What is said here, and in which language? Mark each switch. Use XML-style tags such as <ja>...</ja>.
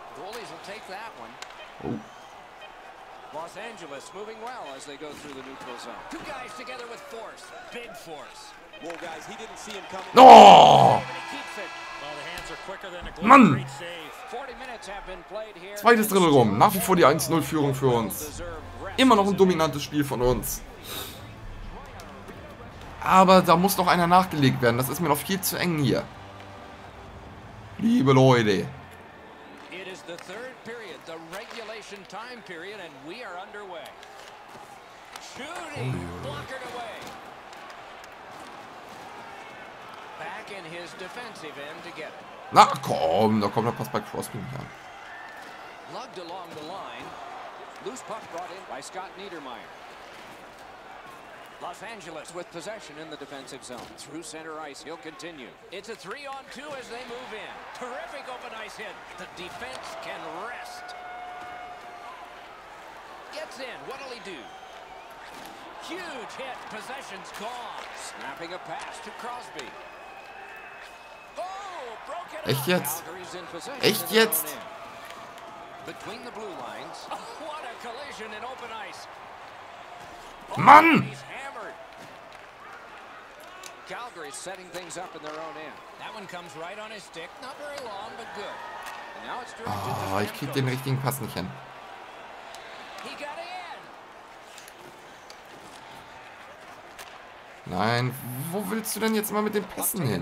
<en>Goalies will take that one. Ooh. Los Angeles moving well as they go through the neutral zone. Two guys together with force. Big force. Well, guys, he didn't see him coming. No! Well, the hands are quicker than a glove.</en> <de>Mann!</de> <en>40 minutes have been played here.</en> <de>Zweites Drittel rum. Nach wie vor die 1-0-Führung für uns. Immer noch ein dominantes Spiel von uns. Aber da muss noch einer nachgelegt werden. Das ist mir noch viel zu eng hier. Liebe Leute.</de> <en>It is the third period, the regulation time period, and we are underway. Shooting, blockered away. Back in his defensive end to get it.</en> <de>Na komm, da kommt der Pass bei Crossbeam her.</de> <en>Lugged along the line. Loose puck brought in by Scott Niedermeyer. Los Angeles with possession in the defensive zone. Through center ice, he'll continue. It's a 3-on-2 as they move in. Terrific open ice hit. The defense can rest. Gets in. What'll he do? Huge hit. Possession's gone. Snapping a pass to Crosby. Oh, broke it up.</en> <de>Echt jetzt?</de> <en>Calgary's in possession.</en> <de>Echt jetzt?</de> <en>Between the blue lines. Oh, what a collision in open ice.</en> <de>Mann!</de> <en>Calgary setting things up in their own end. That one comes right on his stick. Not very long, but good. And now it's directed to Stamkos.</en> <de>Ich krieg den richtigen Pass nicht hin.</de> <en>He got in.</en> <de>Nein, wo willst du denn jetzt mal mit den Pässen hin?</de>